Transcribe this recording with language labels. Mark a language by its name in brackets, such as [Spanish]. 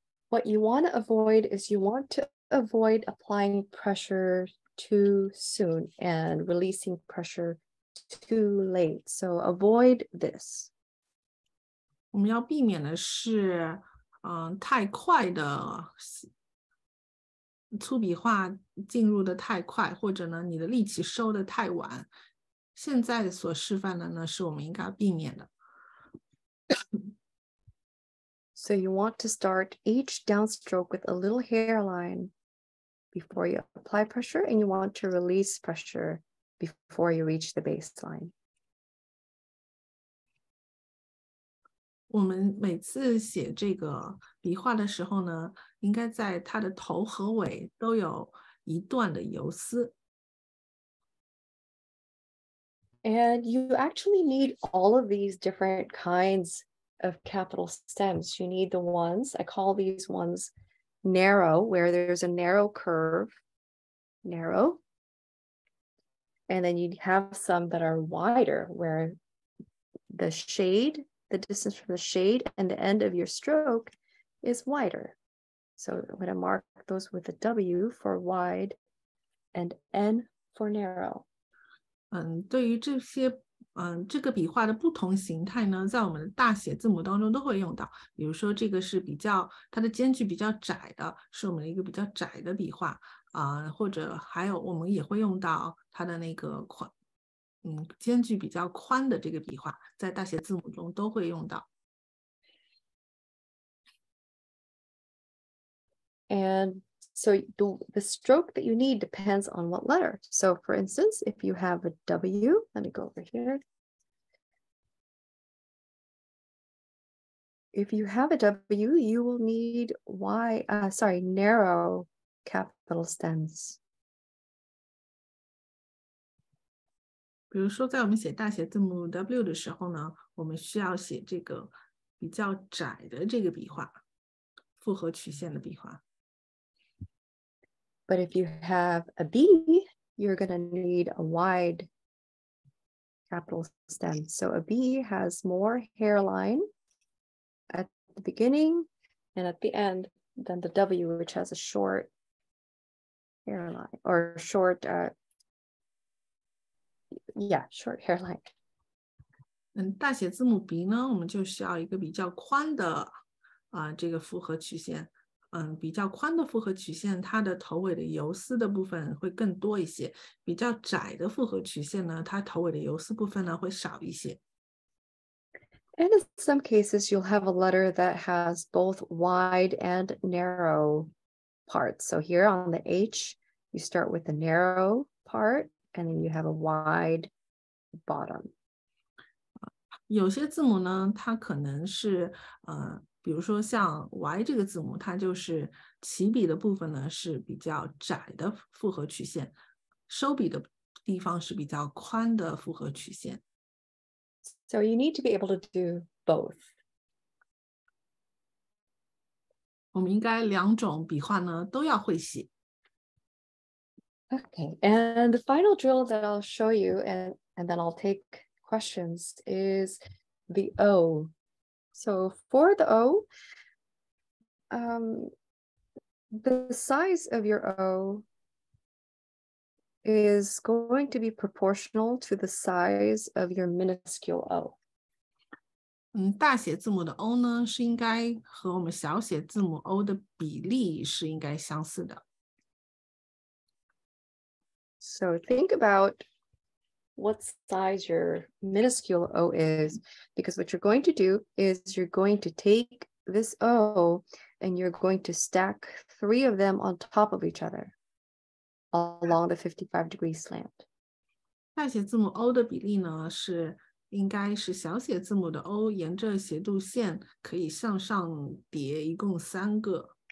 [English] What you want to avoid is you want to avoid applying pressure too soon and releasing pressure too late. So avoid this. [Chinese] 我们要避免的是太快的粗笔画进入的太快，或者呢你的力气收的太晚。现在所示范的呢是我们应该避免的。 [English] So you want to start each downstroke with a little hairline before you apply pressure, and you want to release pressure before you reach the baseline. [Chinese] 我们每次写这个笔画的时候呢，应该在它的头和尾都有一段的游丝。 [English] And you actually need all of these different kinds of capital stems. You need the ones, I call these ones narrow, where there's a narrow curve, narrow. And then you have some that are wider, where the shade, the distance from the shade and the end of your stroke is wider. So I'm going to mark those with a W for wide and N for narrow. [Chinese] 对于这些这个笔画的不同形态呢，在我们的大写字母当中都会用到。比如说这个是比较它的间距比较窄的，是我们一个比较窄的笔画或者还有我们也会用到它的那个宽间距比较宽的这个笔画，在大写字母中都会用到。 [English] And so the stroke that you need depends on what letter. So for instance, if you have a W, let me go over here. If you have a W, you will need narrow capital stems. [Chinese] 比如说在我们写大写字母 W 的时候呢，我们需要写这个比较窄的这个笔画，复合曲线的笔画。 [English] But if you have a B, you're going to need a wide capital stem. So a B has more hairline at the beginning and at the end than the W, which has a short hairline or short, short hairline. [Chinese] 大写字母 B 呢，我们就需要一个比较宽的这个复合曲线。比较宽的复合曲线，它的头尾的游丝的部分会更多一些，比较窄的复合曲线呢，它头尾的游丝部分呢会少一些。 [English] And in some cases, you'll have a letter that has both wide and narrow parts. So here on the H, you start with the narrow part, and then you have a wide bottom. [Chinese] 有些字母呢，它可能是比如说像 Y 这个字母，它就是起笔的部分呢是比较窄的复合曲线，收笔的地方是比较宽的复合曲线。 [English] So you need to be able to do both. [Chinese] 我们应该两种笔画呢都要会写。 [English] Okay, and the final drill that I'll show you and then I'll take questions is the O. So for the O, the size of your O is going to be proportional to the size of your minuscule O. [Chinese] 大写字母的 O 呢，是应该和我们小写字母 O 的比例是应该相似的。 [English] So think about what size your minuscule O is, because what you're going to do is you're going to take this O and you're going to stack three of them on top of each other along the 55 degree slant. [Chinese] 大写字母 O 的比例呢，是应该是小写字母的 O 沿着斜度线可以向上叠一共三个。